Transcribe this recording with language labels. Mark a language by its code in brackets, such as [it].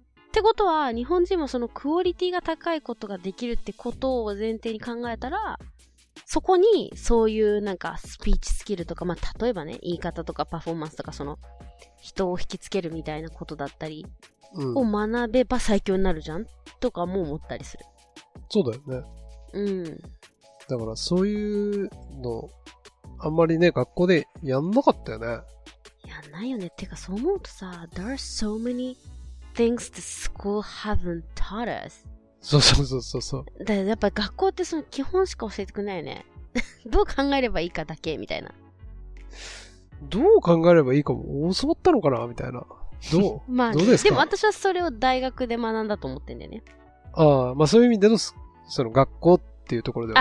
[ja] ってことは、日本人もそのクオリティが高いことができるってことを前提に考えたら、そこにそういうなんかスピーチスキルとか、まあ、例えばね、言い方とかパフォーマンスとか、その人を引きつけるみたいなことだったりを学べば最強になるじゃん、うん、とかも思ったりする。そうだよね。うん。だからそういうのあんまりね、学校でやんなかったよね。やんないよね。てかそう思うとさ、 [en] There are so many things the school haven't taught us。 [ja] そうそうそうそうそう。だからやっぱり学校ってその基本しか教えてくれないよね。どう考えればいいかだけみたいな。どう考えればいいかも教わったのかなみたいな。どう、まあ、どうですか。でも私はそれを大学で学んだと思ってんだよね。ああ、まあそういう意味でのその学校っていうところでは、